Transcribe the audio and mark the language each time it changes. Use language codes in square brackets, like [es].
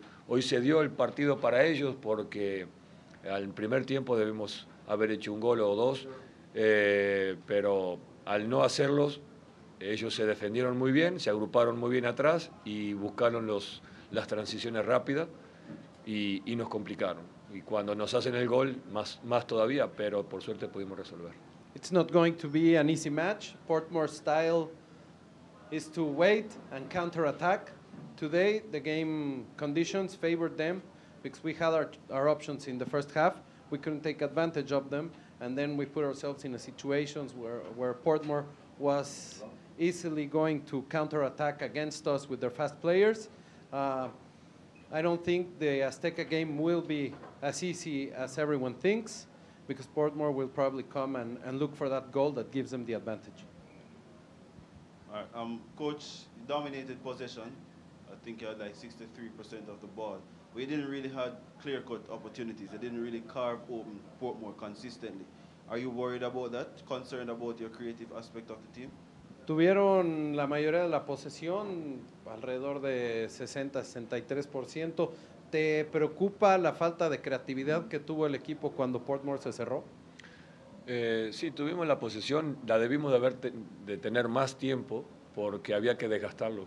[es] Hoy se dio el partido para ellos porque al primer tiempo debimos haber hecho un gol o dos, pero al no hacerlos, ellos se defendieron muy bien, se agruparon muy bien atrás y buscaron las transiciones rápidas y nos complicaron. Y cuando nos hacen el gol, más todavía, pero por suerte pudimos resolver. [en] It's not going to be an easy match. Portmore style is to wait and counterattack. Today, the game conditions favored them, because we had our options in the first half. We couldn't take advantage of them, and then we put ourselves in a situation where Portmore was easily going to counterattack against us with their fast players. I don't think the Azteca game will be as easy as everyone thinks, because Portmore will probably come and look for that goal that gives them the advantage. Coach, you dominated possession. I think you had like 63% of the ball. We didn't really have clear-cut opportunities. They didn't really carve open Portmore consistently. Are you worried about that? Concerned about your creative aspect of the team? [es] Tuvieron la mayoría de la posesión, alrededor de 60-63%. ¿Te preocupa la falta de creatividad que tuvo el equipo cuando Portmore se cerró? Sí, tuvimos la posesión. La debimos de tener más tiempo porque había que desgastarlo.